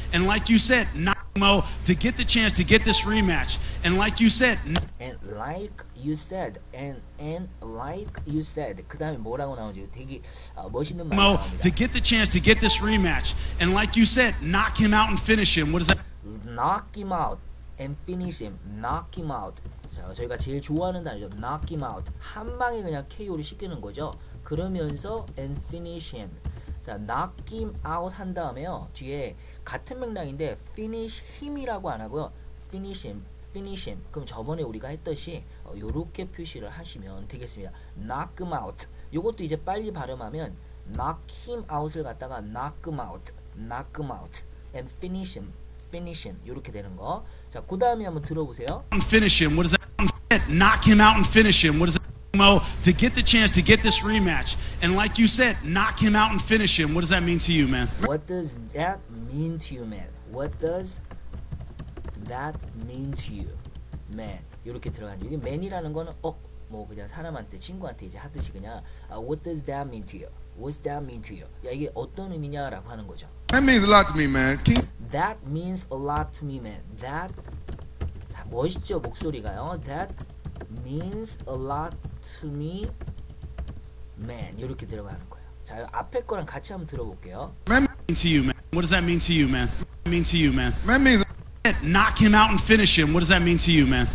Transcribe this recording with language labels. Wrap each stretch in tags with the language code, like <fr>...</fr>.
<en>And like you said, knock Mo to get the chance to get this rematch. And like you said, And like you said, and like you said,</en> <ko>그 다음에 뭐라고 나오죠? 되게 멋있는 말이</ko> <en>Mo to</en> <ko>나옵니다.</ko> <en>get the chance to get this rematch. And like you said, knock him out and finish him. What is that? Knock him out and finish him. Knock him out.</en> <ko>자, 저희가 제일 좋아하는 단어죠.</ko> <en>Knock him out.</en> <ko>한 방에 그냥 KO를 시키는 거죠. 그러면서</ko> <en>and finish him. 자, knock him out</en> <ko>한 다음에요. 뒤에 같은 맥락인데 finish him이라고 안 하고요.</ko> <en>Finish him. finish him.</en> <ko>그럼 저번에 우리가 했듯이 이렇게 표시를 하시면 되겠습니다.</ko> <en>Knock him out.</en> <ko>이것도 이제 빨리 발음하면</ko> <en>knock him out을 갖다가 knock him out, knock him out, and finish him, finish him.</en> <ko>이렇게 되는 거. 자, 그 다음에 한번 들어보세요.</ko> <en>Finish him. What does that mean? Knock him out and finish him. What does that mean, Mo? To get the chance to get this rematch. And like you said, knock him out and finish him. What does that mean to you, man? What does that mean to you, man? What does that mean to you, man?</en> <ko>이렇게 들어간 여기 man이라는 거는 뭐 그냥 사람한테 친구한테 이제 하듯이 그냥</ko> <en>what does that mean to you?</en> <ko>What's that mean to you? 야 이게 어떤 의미냐라고 하는 거죠.</ko> <en>That means a lot to me, man. That means a lot to me, man. That</en> <ko>자, 멋있죠 목소리가요.</ko> <en>That means a lot to me, man.</en> <ko>이렇게 들어가는 거예요. 자 앞에 거랑 같이 한번 들어볼게요.</ko> <en>That means to you, man. What does that mean to you, man? Mean to you, man. That means knock him out and finish him. What does that mean to you, man?</en>